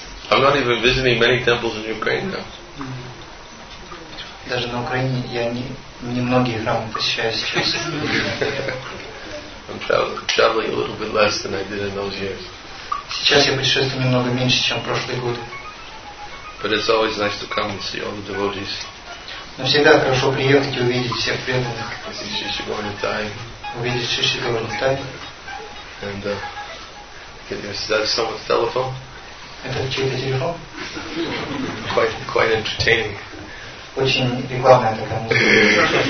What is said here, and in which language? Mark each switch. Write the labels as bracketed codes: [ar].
[en] I'm not even visiting many temples in Ukraine now. [ru] Даже на Украине я не многие храмы посещаю сейчас. [en] I'm traveling a little bit less than I did in those years. [ru] Сейчас я путешествую немного меньше, чем в прошлые годы. [en] But it's always nice to come and see all the devotees. [ru] Но всегда хорошо приехать и увидеть всех преданных. [en] See Шиши Говард Тай. [ru] Увидеть Шиши Говард Тай. [en] And is that someone's telephone? [ru] Это чей-то телефон? [en] Quite entertaining. [ru] Очень рекламная такая музыка.